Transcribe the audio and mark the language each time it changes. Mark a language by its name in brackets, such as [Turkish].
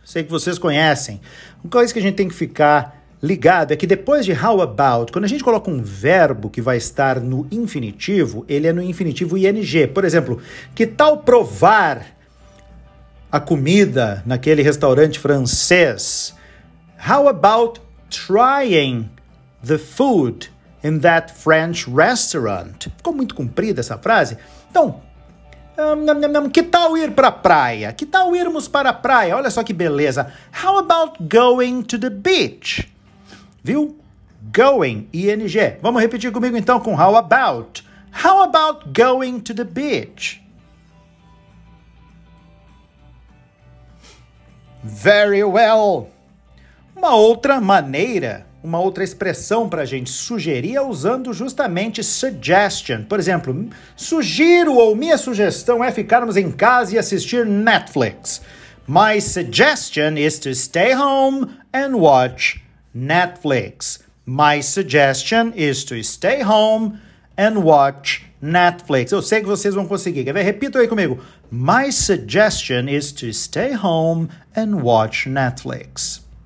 [Portuguese] Sei que vocês conhecem. Uma coisa que a gente tem que ficar ligado é que depois de how about, quando a gente coloca um verbo que vai estar no infinitivo, ele é no infinitivo ing. Por exemplo, que tal provar a comida naquele restaurante francês? [English] How about trying the food in that French restaurant? [Portuguese] Ficou muito comprida essa frase? Então, que tal ir para a praia? Que tal irmos para a praia? Olha só que beleza. How about going to the beach? Viu? Going, ing. Vamos repetir comigo então com how about. [English] How about going to the beach? [Portuguese] Very well. Uma outra maneira... Uma outra expressão para a gente sugerir é usando justamente suggestion. Por exemplo, sugiro ou minha sugestão é ficarmos em casa e assistir Netflix. [English] My suggestion is to stay home and watch Netflix. My suggestion is to stay home and watch Netflix. [Portuguese] Eu sei que vocês vão conseguir. Quer ver? Repita aí comigo. My suggestion is to stay home and watch Netflix.